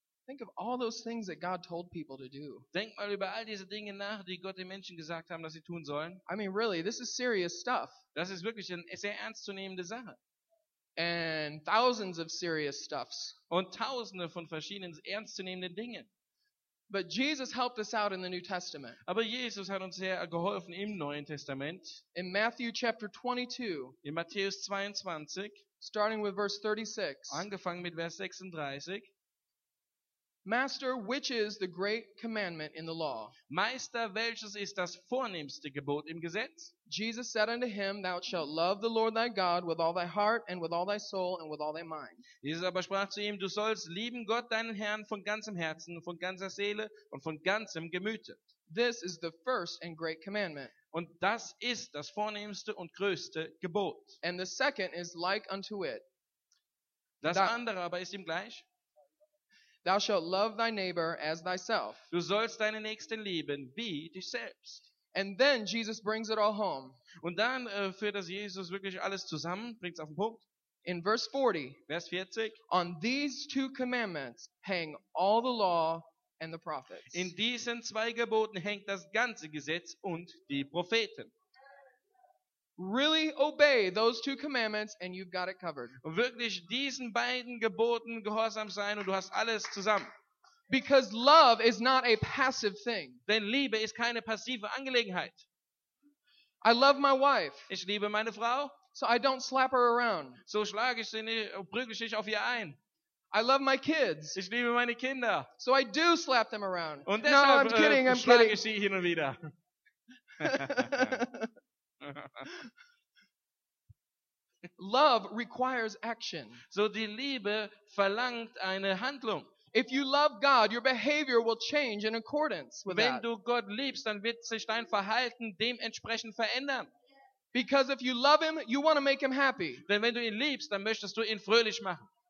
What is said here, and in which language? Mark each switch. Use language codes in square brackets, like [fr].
[en] Think of all those things that God told people to do. [de] Denk mal über all diese Dinge nach, die Gott den Menschen gesagt haben, dass sie tun sollen. [en] I mean, really, this is serious stuff. [de] Das ist wirklich eine sehr ernstzunehmende Sache. [en] And thousands of serious stuffs. [de] Und tausende von verschiedenen ernstzunehmenden Dingen. [en] But Jesus helped us out in the New Testament. [de] Aber Jesus hat uns sehr geholfen im Neuen Testament. [en] In Matthew chapter 22. [de] In Matthäus 22. [en] Starting with verse 36. [de] Angefangen mit Vers 36. [en] Master, which is the great commandment in the law? [de] Meister, welches ist das vornehmste Gebot im Gesetz? [en] Jesus said unto him, Thou shalt love the Lord thy God with all thy heart and with all thy soul and with all thy mind. [de] Jesus aber sprach zu ihm, Du sollst lieben Gott deinen Herrn von ganzem Herzen, von ganzer Seele und von ganzem Gemüte. [en] This is the first and great commandment. [de] Und das ist das vornehmste und größte Gebot. [en] And the second is like unto it. [de] Das andere aber ist ihm gleich. [en] Thou shalt love thy neighbor as thyself. [de] Du sollst deinen Nächsten lieben wie dich selbst. [en] And then Jesus brings it all home. [de] Und dann führt das Jesus wirklich alles zusammen, bringt es auf den Punkt. [en] In verse 40. [de] Vers 40. [en] On these two commandments hang all the law and the prophets. [de] In diesen zwei Geboten hängt das ganze Gesetz und die Propheten. [en] Really obey those two commandments and you've got it covered. [de] Und wirklich diesen beiden Geboten gehorsam sein und du hast alles zusammen. [en] Because love is not a passive thing. [de] Denn Liebe ist keine passive Angelegenheit. [en] I love my wife. [de] Ich liebe meine Frau. [en] So I don't slap her around. [de] So schlage ich sie nicht, prügel ich nicht auf ihr ein. [en] I love my kids. [de] Ich liebe meine Kinder. [en] So I do slap them around. [de] Und deshalb, [en] no, I'm kidding, I'm [de] schlage [en] kidding. [de] Ich sie hin und wieder. [en] Love requires action. [de] So die Liebe verlangt eine Handlung. [en] If you love God, your behavior will change in accordance with that. [de] Wenn du Gott liebst, dann wird sich dein Verhalten dementsprechend verändern. [en] Because if you love him, you want to make him happy. [de] Denn wenn du ihn liebst, dann möchtest du ihn fröhlich machen.